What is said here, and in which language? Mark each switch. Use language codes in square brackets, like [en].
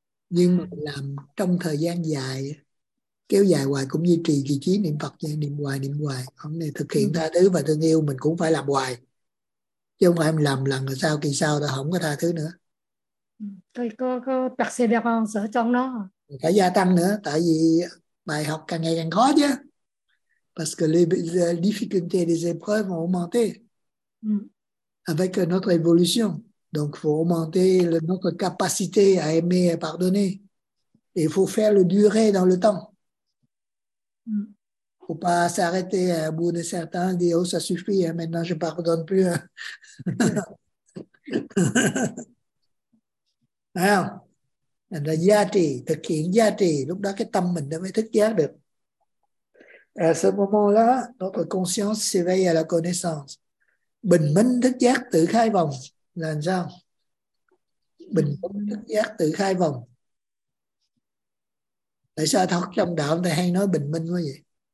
[vi] Nhưng mà làm trong thời gian dài, kéo dài hoài cũng duy trì vị trí niệm Phật, niệm hoài. Không thì thực hiện tha thứ và thương yêu mình cũng phải làm hoài. Chứ không phải mình làm lần rồi sao, kỳ sau ta không có tha thứ nữa. Có perseverance ở trong nó. Phải gia tăng nữa, tại vì bài học càng ngày càng khó chứ. [fr] Parce que les difficultés, les épreuves ont augmenté avec notre évolution. Donc, il faut augmenter notre capacité à aimer et pardonner. Et il faut faire le durer dans le temps. Il ne faut pas s'arrêter à un bout de certains, dire, oh, ça suffit, hein, maintenant je ne pardonne plus. Alors, [vi] la yati, la yati, lúc đó cái tâm mình nó mới thức giác được. [fr] À ce moment-là, notre conscience s'éveille à la connaissance. [vi] Bình minh thức giác tự khai vòng là sao? Bình minh thức giác tự khai vòng. Tại sao thật trong đạo người ta hay nói bình minh quá vậy?